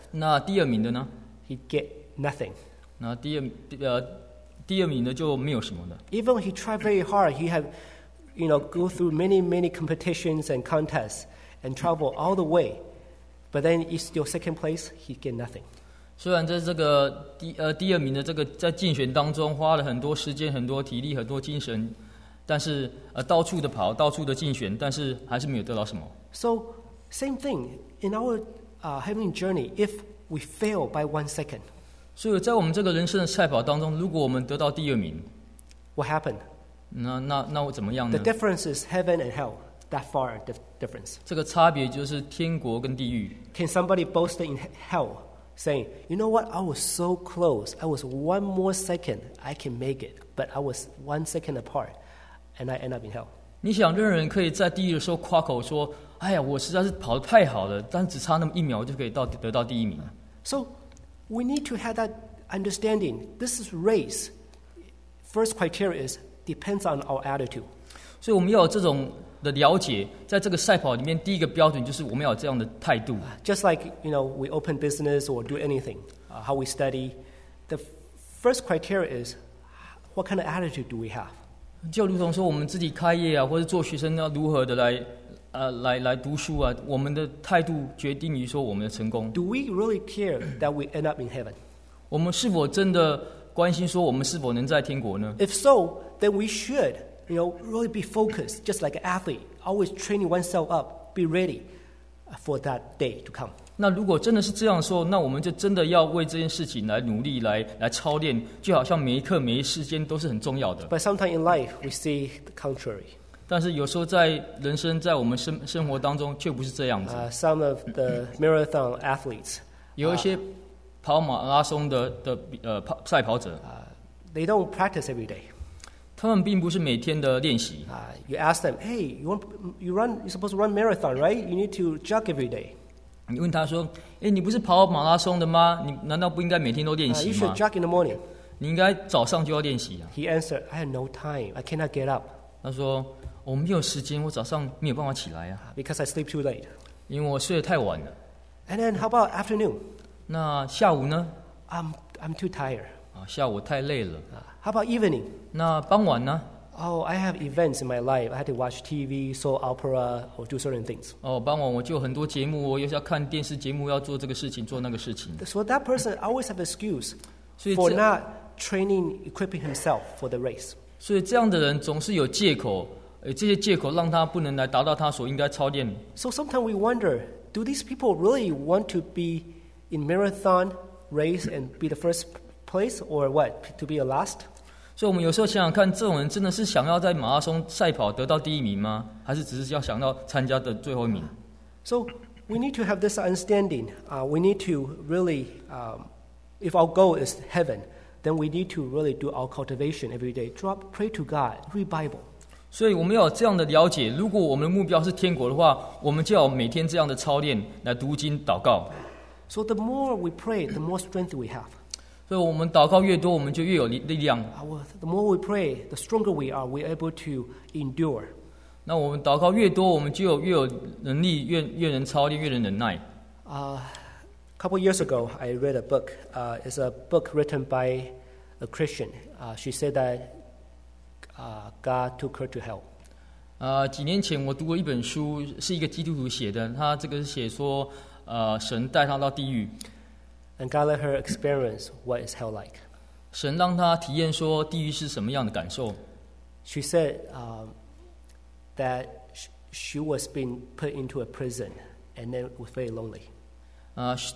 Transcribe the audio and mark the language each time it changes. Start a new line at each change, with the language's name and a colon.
Chinese: 那第二名的呢？
English: He get nothing.
Chinese: 那第二名的就没有什么的。
English: Even he tried very hard, he had, you know, go through many many competitions and contests and travel all the way, but then he's still second place. He get nothing.
Chinese: 虽然在这个第二名的这个在竞选当中花了很多时间、很多体力、很多精神。但是到处的跑，到处的竞选，但是还是没有得到什么。
English: So, same thing in our heavenly journey. If we fail by 1 second,
Chinese: 所以在我们这个人生的赛跑当中，如果我们得到第二名
English: ，What happened?
Chinese: 那会怎么样呢
English: ？The difference is heaven and hell. That far difference.
Chinese: 这个差别就是天国跟地狱。
English: Can somebody boast in hell, saying, "You know what? I was so close. I was one more second. I can make it, but I was 1 second apart." And I end up in hell.
Chinese: 你想任何人可以在地狱的时候夸口说，哎呀，我实在是跑得太好了，但只差那么一秒就可以得到第一名。
English: So we need to have that understanding. This is race. First criteria is depends on our attitude.
Chinese: 所以我们要有这种的了解，在这个赛跑里面，第一个标准就是我们要有这样的态度。
English: Just like, you know, we open business or do anything, how we study. The first criteria is what kind of attitude do we have?
Chinese: 就如同说我们自己开业啊，或者做学生要如何的来读书啊，我们的态度决定于说我们的成功。
English: Do we really care that we end up in heaven?
Chinese: 我们是否真的关心说我们是否能在天国呢
English: ？If so, then we should, you know, really be focused, just like an athlete, always training oneself up, be ready for that day to come.
Chinese: 那如果真的是这样说，那我们就真的要为这件事情来努力，来操练，就好像每一刻每一时间都是很重要的。
English: But sometimes in life we see the contrary.
Chinese: 但是有时候在人生，在我们生活当中却不是这样子。
English: Some of the marathon athletes,
Chinese: 有一些跑马拉松的赛跑者，
English: they don't practice every day.
Chinese: 他们并不是每天的练习。
English: You ask them, hey, you're supposed to run marathon, right? You need to jog every day.
Chinese: 你问他说：“哎，你不是跑马拉松的吗？你难道不应该每天都练习吗？”
English: You should jog in the morning.
Chinese: 你应该早上就要练习啊。
English: He answered, "I have no time. I cannot get up."
Chinese: 他说：“我没有时间，我早上没有办法起来啊。”
English: Because I sleep too late.
Chinese: 因为我睡得太晚了。
English: And then how about afternoon?
Chinese: 那下午呢
English: ？I'm too tired.
Chinese: 下午太累了。
English: How about evening?
Chinese: 那傍晚呢？
English: Oh, I have events in my life. I had to watch TV, saw opera, or do certain things.
Chinese: Oh, 傍晚我就很多节目，我又要看电视节目，要做这个事情，做那个事情。
English: So that person always have excuse for not training, equipping himself for the race.
Chinese: 所以这样的人总是有借口，这些借口让他不能来达到他所应该操练。
English: So sometimes we wonder, do these people really want to be in marathon race and be the first place, or what, to be the last?
Chinese: 所以我们有时候想想看，这种人真的是想要在马拉松赛跑得到第一名吗？还是只是要想要参加的最后一名
English: ？So we need to have this understanding. We need to really, if our goal is heaven, then we need to really do our cultivation every day. Drop, pray to God, read Bible.
Chinese: 所以我们要有这样的了解。如果我们的目标是天国的话，我们就要每天这样的操练来读经祷告。
English: So the more we pray, the more strength we have.
Chinese: 所以我们祷告越多，我们就越有力量。
English: The more we pray, the stronger we are. We're able to endure.
Chinese: 那我们祷告越多，我们就越有能力，越能操练，越能忍耐。
English: A couple years ago, I read a book. It's a book written by a Christian. She said that God took her to hell.
Chinese: 几年前我读过一本书，是一个基督徒写的。他这个是写说，神带他到地狱。
English: And God let her experience what is hell like.
Chinese: 神让她体验说地狱是什么样的感受。
English: She said that she was being put into a prison, and then was very lonely.